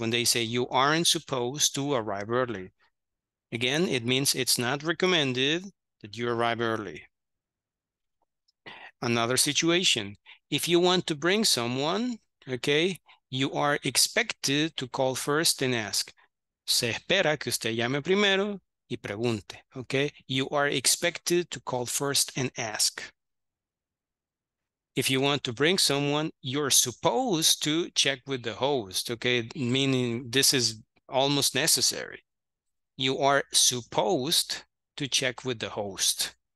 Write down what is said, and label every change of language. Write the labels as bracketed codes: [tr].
[en] When they say you aren't supposed to arrive early, again, it means it's not recommended that you arrive early. Another situation, if you want to bring someone, okay, you are expected to call first and ask. [es] Se espera que usted llame primero y pregunte, okay? [en] You are expected to call first and ask. If you want to bring someone, you're supposed to check with the host, okay? Meaning this is almost necessary. You are supposed to check with the host.